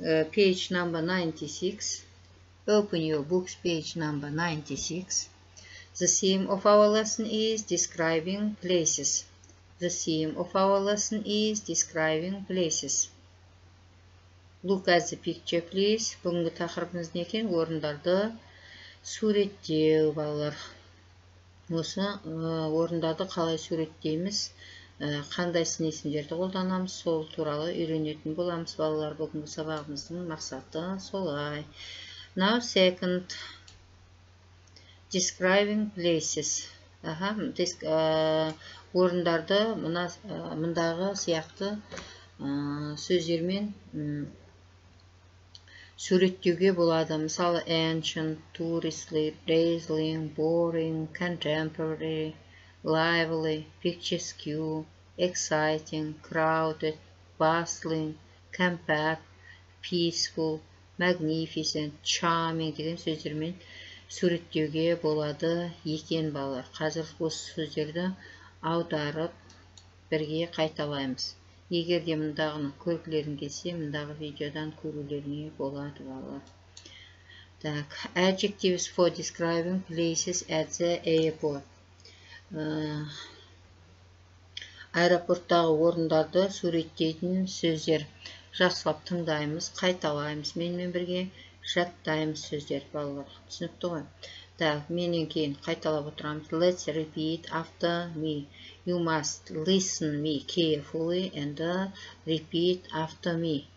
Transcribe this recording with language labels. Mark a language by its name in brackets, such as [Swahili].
[English] Page number 96. Open your books, page number 96. The theme of our lesson is describing places. The theme of our lesson is describing places. Look at the picture, please. [Kazakh] Бүгінгі тақырыбымыз не екен? Орындарды суреттеу, балалар. Осы орындарды қалай суреттейміз? Қандай сын есімдерді қолданамыз, сол туралы үйренетін боламыз, балалар, бүгінгі сабағымыздың мақсаты солай. [English] Now, second, describing places. [Kazakh] Орындарды мұндағы сияқты сөздермен суреттеуге болады. Мысалы, [English] ancient, touristly, dazzling, boring, contemporary, lively, picturesque, exciting, crowded, bustling, compact, peaceful, magnificent, charming [Kazakh] деген сөздермен суреттеуге болады екен балар. Қазір осы сөздерді аударып бірге қайталаймыз. Егер де мұндағыны көргілерін келсе, мұндағы видеодан көрулеріне болады балар. [English] Так, adjectives for describing places at the airport. [Kazakh] Аэропорттағы орындарды суреттейтін сөздер. Жақсылап тыңдаймыз, қайталаймыз, менімен бірге жаттаймыз сөздер, балалар. Түсінікті ғой. Так, менен кейін қайталап отырамыз. [English] Let's repeat after me. You must listen me carefully and repeat after me.